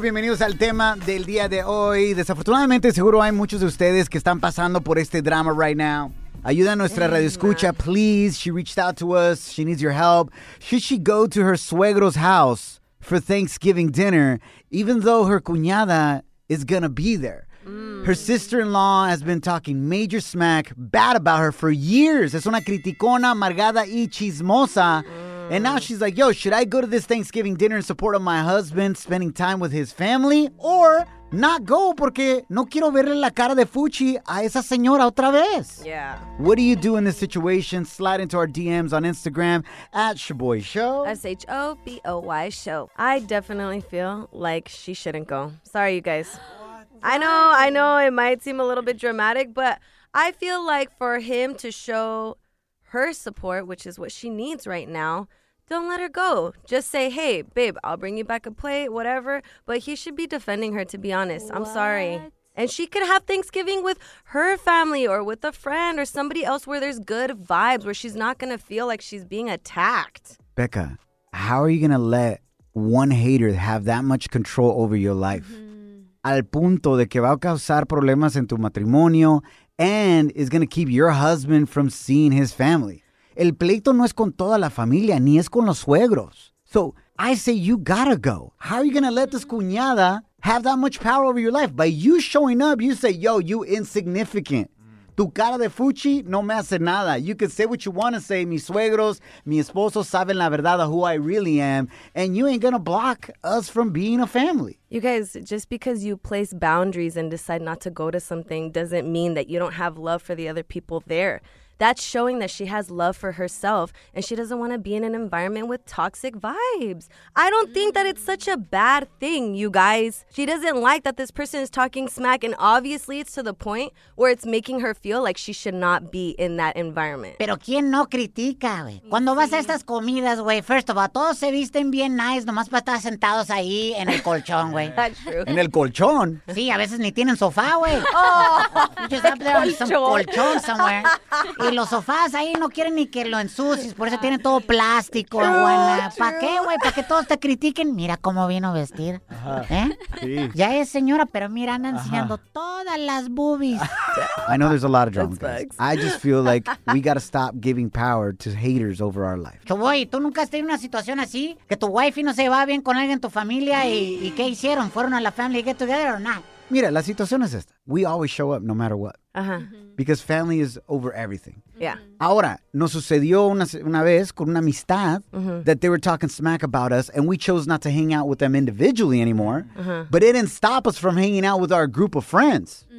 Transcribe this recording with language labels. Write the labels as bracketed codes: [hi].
[es] Bienvenidos al tema del día de hoy. Desafortunadamente, seguro hay muchos de ustedes que están pasando por este drama [en] right now. [es] Ayuda a nuestra radioescucha, please. [en] She reached out to us. She needs your help. Should she go to her suegro's house for Thanksgiving dinner, even though her cuñada is going to be there? Her sister-in-law has been talking major smack bad about her for years. [es] Es una criticona, amargada y chismosa. [en] And now she's like, yo, should I go to this Thanksgiving dinner in support of my husband spending time with his family? Or not go [es] porque no quiero verle la cara de fuchi a esa señora otra vez. [en] Yeah. What do you do in this situation? Slide into our DMs on Instagram at Shaboy Show. Shaboy Show. I definitely feel like she shouldn't go. Sorry, you guys. I know it might seem a little bit dramatic, but I feel like for him to show her support, which is what she needs right now, don't let her go. Just say, hey, babe, I'll bring you back a plate, whatever. But he should be defending her, to be honest. What? I'm sorry. And she could have Thanksgiving with her family or with a friend or somebody else where there's good vibes, where she's not going to feel like she's being attacked. Becca, how are you going to let one hater have that much control over your life? Mm-hmm. [es] Al punto de que va a causar problemas en tu matrimonio [en] and is going to keep your husband from seeing his family. [es] El pleito no es con toda la familia, ni es con los suegros. [en] So I say you gotta go. How are you gonna let this cuñada have that much power over your life? By you showing up, you say, yo, you insignificant. [es] Tu cara de fuchi no me hace nada. [en] You can say what you want to say. [es] Mis suegros, mi esposo saben la verdad [en] of who I really am. And you ain't going to block us from being a family. You guys, just because you place boundaries and decide not to go to something doesn't mean that you don't have love for the other people there. That's showing that she has love for herself and she doesn't want to be in an environment with toxic vibes. I don't think that it's such a bad thing, you guys. She doesn't like that this person is talking smack, and obviously it's to the point where it's making her feel like she should not be in that environment. [es] Pero ¿quién no critica, güey? Cuando vas a estas comidas, güey, [en] first of all, [es] todos se visten bien nice nomás para estar sentados ahí en el colchón, güey. [en] That's true. [es] ¿En el colchón? Sí, a veces ni tienen sofá, güey. [en] Oh, just up there on some colchón somewhere. [es] Y los sofás ahí no quieren ni que lo ensucies, por eso tienen todo plástico. ¿Para qué, güey? ¿Para que todos te critiquen? Mira cómo vino a vestir. Sí. Ya es señora, pero mira, anda enseñando todas las boobies. [en] I know there's a lot of drama, guys. I just feel like we gotta stop giving power to haters over our life. [es] Chuboy, ¿tú nunca has tenido una situación así? Que tu wifey no se va bien con alguien en tu familia y ¿qué hicieron? ¿Fueron a la [en] family get together [es] o no? Mira, la situación es esta. [en] We always show up no matter what. Uh-huh. Because family is over everything. Yeah. [es] Ahora, nos sucedió una vez con una amistad [en] that they were talking smack about us and we chose not to hang out with them individually anymore. Uh-huh. But it didn't stop us from hanging out with our group of friends.